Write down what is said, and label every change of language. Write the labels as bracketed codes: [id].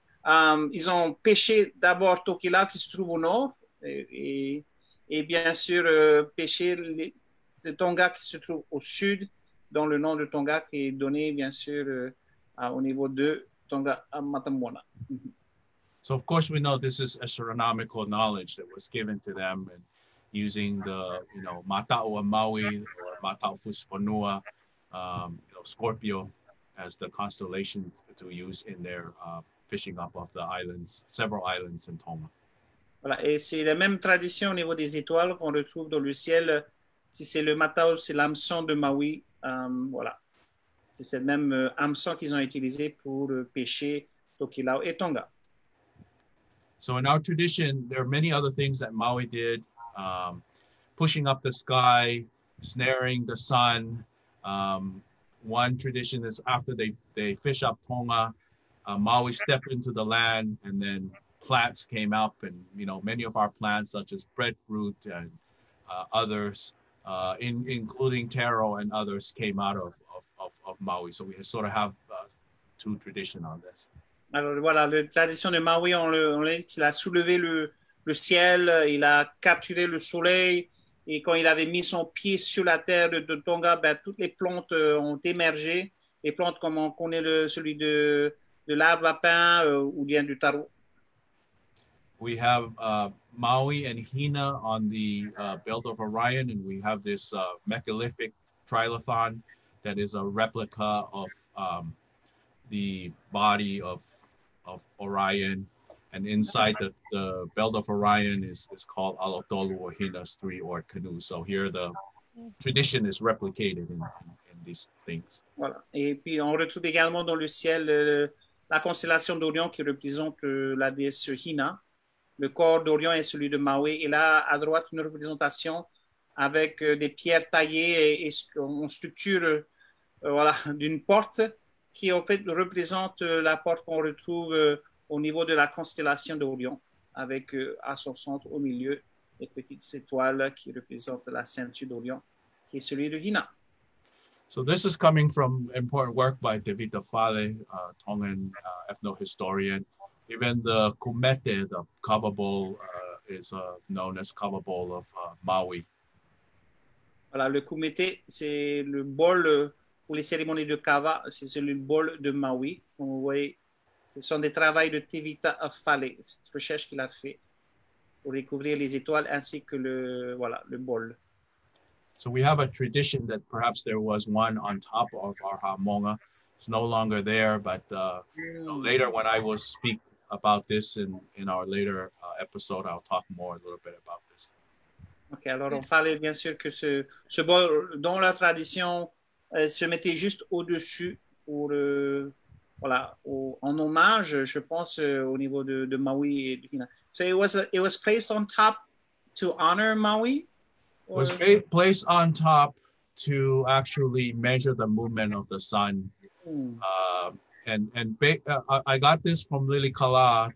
[fr] Ils ont pêché d'abord Tokila, qui se trouve au nord, et bien sûr, pêché le Tonga, qui se trouve au sud, dont le nom de Tonga, qui est donné, bien sûr, au niveau de Tonga à Matamona. [en] So, of course, we know this is astronomical knowledge that was given to them, and using the, you know, Mata'ua Maui or Mata'ua Fusifonua, Scorpio, as the constellation to use in their fishing up off the islands, several islands in Tonga. [fr] Voilà, et c'est la même tradition au niveau des étoiles qu'on retrouve dans le ciel. Si c'est le Mata'ua, c'est l'hameçon de Maui. Voilà, c'est cette même hameçon qu'ils ont utilisé pour pêcher Tokelau et Tonga. [en] So in our tradition, there are many other things that Maui did, pushing up the sky, snaring the sun. One tradition is after they fish up Tonga, Maui stepped into the land, and then plants came up, and you know, many of our plants, such as breadfruit and others, including taro and others, came out of Maui. So we sort of have two traditions on this. [fr] Alors voilà, la tradition de Maui, il a soulevé le ciel, il a capturé le soleil, et quand il avait mis son pied sur la terre de Tonga, ben, toutes les plantes ont émergé, les plantes comme on connaît celui de l'arbre à pain ou bien du taro. [en] We have Maui and Hina on the belt of Orion, and we have this megalithic trilithon that is a replica of the body of Orion, and inside the belt of Orion is called Alotolu or Hina's Three or Canoe. So here the tradition is replicated in these things. [fr] Voilà. Et puis on retrouve également dans le ciel la constellation d'Orion qui représente la déesse Hina. Le corps d'Orion est celui de Maui. Et là, à droite, une représentation avec des pierres taillées et en structure d'une porte qui en fait représente la porte qu'on retrouve au niveau de la constellation d'Orion, avec à son centre, au milieu, les petites étoiles qui représentent la ceinture d'Orion, qui est celui de Hina. [en] So this is coming from important work by David Fale, a Tongan ethnohistorian. Even the kumete, the cover bowl, is known as cover bowl of Maui. [fr] Voilà, le kumete, c'est le bol pour les cérémonies de kava, c'est celui du bol de Maui. Comme vous voyez, ce sont des travaux de Tevita Afale, cette recherche qu'il a fait pour découvrir les étoiles ainsi que le bol. [en] So we have a tradition that perhaps there was one on top of our hamonga. It's no longer there, but later when I will speak about this in our later episode, I'll talk more a little bit about this. [fr] Ok, alors on parlait bien sûr que ce bol dans la tradition se mettait juste au-dessus pour en hommage, je pense, au niveau de Maui. [en] Et, you know. So it was placed on top to honor Maui. It was placed on top to actually measure the movement of the sun. I got this from Lilikalā.